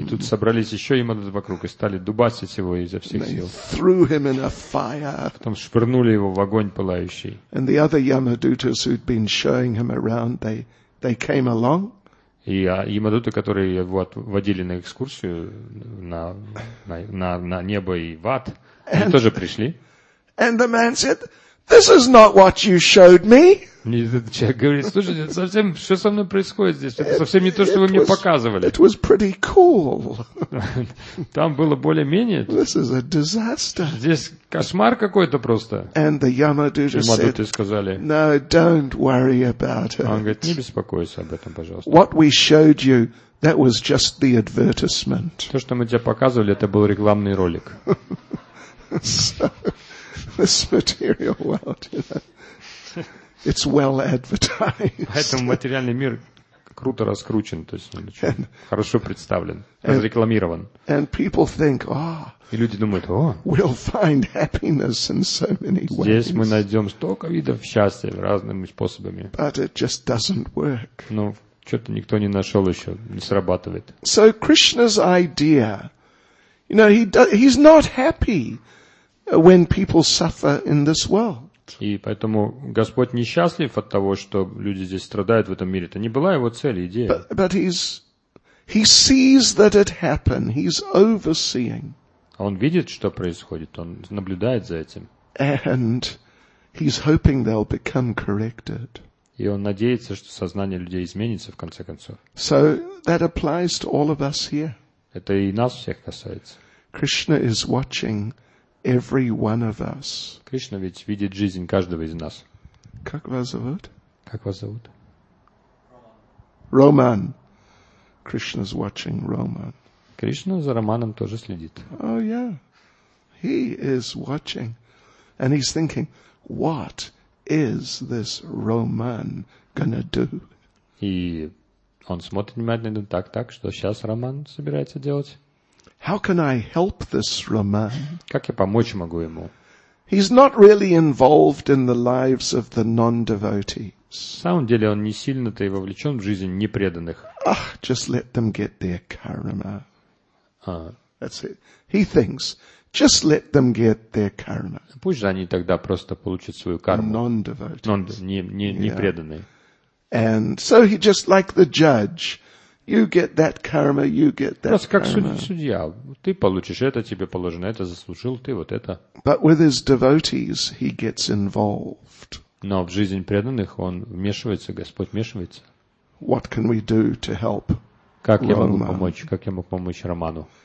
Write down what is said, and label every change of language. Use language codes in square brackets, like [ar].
[ru] И тут собрались еще Ямадуты вокруг и стали дубасить его изо всех сил. [en] They threw him in a fire. [ru] Потом швырнули его в огонь пылающий. [en] And the other Yamadutas who'd been showing him around, they came along. [ru] И Ямадуты, которые его водили на экскурсию на небо и в ад, они тоже пришли. [en] And the man said, "This is not what you showed me." [ru] Человек говорит, слушайте, совсем, что со мной происходит здесь? Это совсем не то, что вы мне показывали. [en] It was pretty cool. [ru] Там было более-менее. [en] This is a disaster. [ru] Здесь кошмар какой-то просто. [en] And the Yamadutas [ru] сказали, [en] "No, don't worry about it." [ru] Он говорит, не беспокойся об этом, пожалуйста. [en] What we showed you, that was just the advertisement. [ru] То, что мы тебе показывали, это был рекламный ролик. [en] This material world, you know, it's well advertised. [ru] Поэтому материальный мир круто раскручен, то есть он хорошо представлен, разрекламирован. [en] And people think, oh, [ru] и люди думают, о, [en] we'll find happiness in so many ways. [ru] Здесь мы найдем столько видов счастья разными способами. [en] But it just doesn't work. [ru] Но что-то никто не нашел еще, не срабатывает. [en] So Krishna's idea, you know, he's not happy when people suffer in this world. [ru] И поэтому Господь несчастлив от того, что люди здесь страдают в этом мире. Это не была его цель, идея. [en] But he sees that it happen. He's overseeing. [ru] Он видит, что происходит. Он наблюдает за этим. [en] And he's hoping they'll become corrected. [ru] И он надеется, что сознание людей изменится в конце концов. [en] So that applies to all of us here. [ru] Это и нас всех касается. [en] Krishna is watching every one of us. [ru] Кришна ведь видит жизнь каждого из нас. Как вас зовут? Как вас зовут? [en] Роман. Krishna's watching Roman. [ru] Кришна за Романом тоже следит. [en] Oh yeah. He is watching. And he's thinking, what is this Roman gonna do? [ru] И он смотрит внимательно, так, что сейчас Роман собирается делать? [en] How can I help this Роман? [ru] Как я помочь могу ему? [en] He's not really involved in the lives of the non-devotees. [ru] На самом деле он не сильно-то и вовлечен в жизнь непреданных. [en] Ah, just let them get their karma. That's it. He thinks, just let them get their karma. [ru] Пусть же они тогда просто получат свою карму. [en] Non-devotees. [ru] Непреданные. [en] And so he just like the judge. You get that karma, you get that karma. [ru] Просто как судья. Ты получишь это, тебе положено это, заслужил ты вот это. [en] But with his devotees, he gets involved. [ru] Но в жизнь преданных он вмешивается, Господь вмешивается. [en] What can we do to help? [ru] Как я могу помочь? Как я мог помочь Роману?